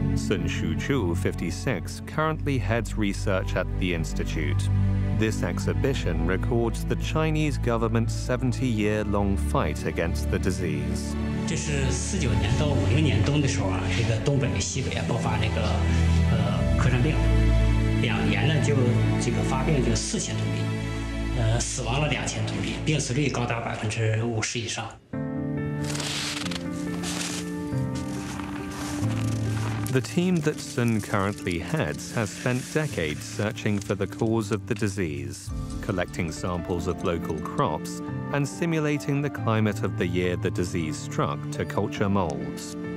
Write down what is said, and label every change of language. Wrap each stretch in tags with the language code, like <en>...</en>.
<en>Sun Shuchu, 56, currently heads research at the institute. This exhibition records the Chinese government's 70-year-long fight against the disease.</en> <zh>这是1949到1950年冬的时候啊，这个东北西北啊爆发那个科山病，两年呢就这个发病就4000多例，死亡了2000多例，病死率高达50%以上。</zh> <en>The team that Sun currently heads has spent decades searching for the cause of the disease, collecting samples of local crops, and simulating the climate of the year the disease struck to culture molds.</en>